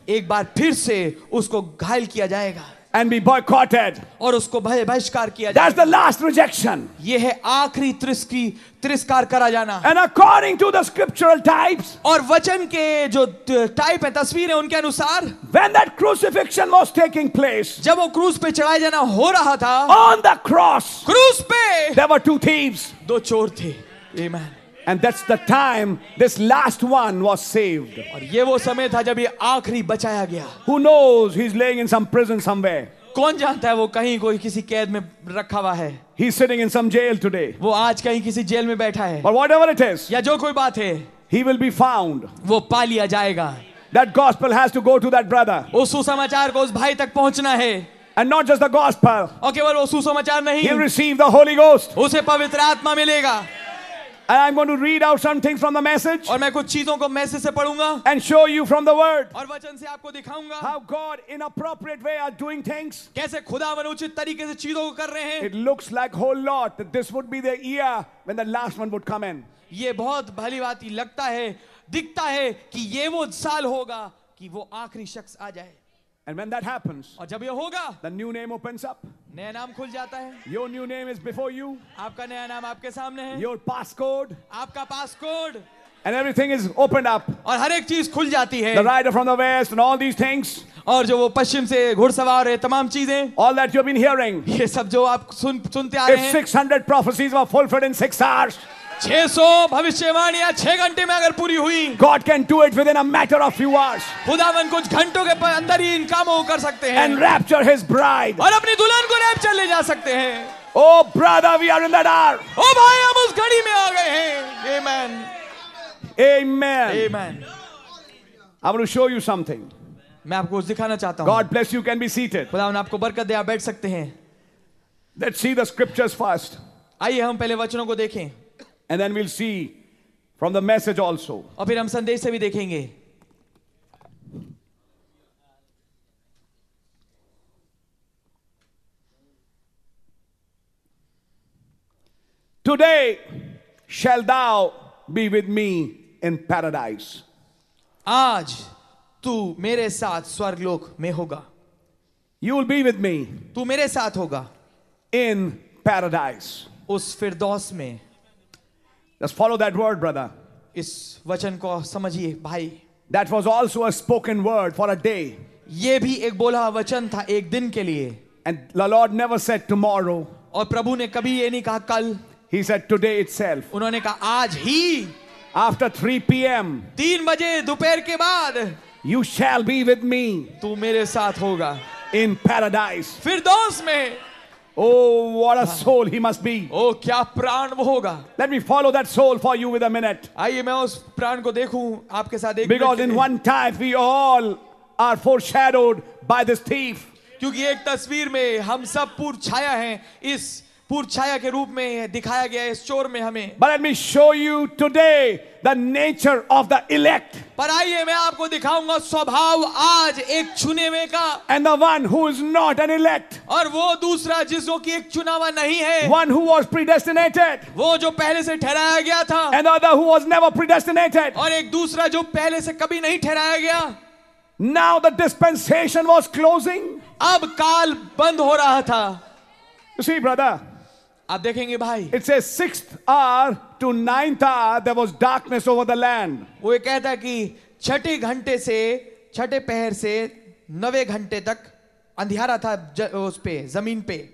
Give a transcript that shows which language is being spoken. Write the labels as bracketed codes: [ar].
[hi] एक बार फिर से उसको घायल किया जाएगा. [en] And be boycotted. [hi] और उसको बहिष्कार किया जाएगा. [en] That's the last rejection. [hi] ये है आखिरी तिरस्कार करा जाना. [en] And according to the scriptural types. [hi] और वचन के जो टाइप है तस्वीरें उनके अनुसार. [en] When that crucifixion was taking place. [hi] जब वो क्रूस पे चढ़ाया जाना हो रहा था. [en] On the cross. [hi] क्रूस पे. [en] There were 2 thieves. [hi] दो चोर थे. Amen. [en] And that's the time this last one was saved. [hi] और ये वो समय था जब ये आखिरी बचाया गया. [en] Who knows? He's laying in some prison somewhere. [hi] कौन जानता है वो कहीं कोई किसी कैद में रखा हुआ है. [en] He's sitting in some jail today. [hi] वो आज कहीं किसी जेल में बैठा है. [en] But whatever it is, [hi] या जो कोई बात है, [en] he will be found. [hi] वो पा लिया जाएगा. [en] That gospel has to go to that brother. [hi] उस सुसमाचार को उस भाई तक पहुंचना है. [en] And not just the gospel. [hi] और केवल वो सुसमाचार नहीं. [en] He'll receive the Holy Ghost. [hi] उसे पवित्र आत्मा मिलेगा. [en] And I'm going to read out some things from the message. [hi] और मैं कुछ चीजों को मैसेज से पढूंगा. [en] And show you from the word. [hi] और वचन से आपको दिखाऊंगा. [en] How God in appropriate way are doing things. [hi] कैसे खुदावन उचित तरीके से चीजों को कर रहे हैं. [en] It looks like whole lot that this would be the year when the last one would come in. [hi] ये बहुत भली बात ही लगता है, दिखता है कि ये वो साल होगा कि वो आखिरी शख्स आ जाए. [en] And when that happens, [hi] और जब ये होगा, [en] the new name opens up. [hi] नया नाम खुल जाता है. [en] Your new name is before you. [hi] आपका नया नाम आपके सामने है. [en] Your passcode. [hi] आपका passcode. [en] And everything is opened up. [hi] और हर एक चीज खुल जाती है. [en] The rider from the west and all these things. [hi] और जो वो पश्चिम से घुड़सवार है, तमाम चीजें. [en] All that you've been hearing. [hi] ये सब जो आप सुनते आ रहे हैं. [en] If 600 prophecies were fulfilled in 6 hours. [hi] 600 भविष्यवाणियां 6 घंटे में अगर पूरी हुई. [en] God can do it within a matter of few hours. [hi] खुदावन कुछ घंटों के अंदर ही इन कामों को कर सकते हैं. [en] And rapture his bride. [hi] और अपनी दुल्हन को रैप्चर ले जा सकते हैं. [en] Oh brother, we are in that hour. [hi] ओ भाई, हम उस घड़ी में आ गए हैं. [en] Amen. Amen. Amen. I want to show you something. [hi] मैं आपको कुछ दिखाना चाहता हूँ. [en] God bless you. Can be seated. [hi] खुदावन आपको बरकत दे, आप बैठ सकते हैं. [en] Let's see the scriptures first. [hi] आइए हम पहले वचनों को देखें. [en] And then we'll see from the message also. [hi] और फिर हम संदेश से भी देखेंगे. [en] Today shall thou be with me in paradise. [hi] आज तू मेरे साथ स्वर्गलोक में होगा. [en] You will be with me. [hi] तू मेरे साथ होगा. [en] In paradise. [hi] उस फिरदौस में. [en] Just follow that word, brother. [hi] इस वचन को समझिए भाई. [en] That was also a spoken word for a day. [hi] ये भी एक बोला वचन था एक दिन के लिए. [en] And the Lord never said tomorrow. [hi] और प्रभु ने कभी ये नहीं कहा कल. [en] He said today itself. [hi] उन्होंने कहा आज ही. [en] After 3 p.m. [hi] 3 बजे दोपहर के बाद. [en] You shall be with me. [hi] तू मेरे साथ होगा. [en] In paradise. [hi] फिरदौस में. [en] Oh, what a soul he must be. [hi] Oh, क्या प्राण वो होगा. [en] Let me follow that soul for you with a minute. [hi] आइए मैं उस प्राण को देखूं आपके साथ एक. [en] Because in one time we all are foreshadowed by this thief. [hi] क्योंकि एक तस्वीर में हम सब पूर्वछाया हैं इस पूर्वछाया के रूप में दिखाया गया है इस चोर में हमें. [en] But let me show you today the nature of the elect. [hi] पर आइए मैं आपको दिखाऊंगा स्वभाव आज एक चुने हुए का. [en] And the one who is not an elect. [hi] और वो दूसरा जिसको कि एक चुना हुआ नहीं है. [en] One who was predestinated. [hi] वो जो पहले से ठहराया गया था. [en] And the other who was never predestinated. [hi] और एक दूसरा जो पहले से कभी नहीं ठहराया गया. [en] Now the dispensation was closing. [hi] अब काल बंद हो रहा था. [en] You see, brother. [hi] आप देखेंगे भाई. [en] It says sixth hour to ninth hour there was darkness over the land. [hi] वो ये कहता कि छठे घंटे से छठे पहर से नवे घंटे तक अंधियारा था उस पे जमीन पे.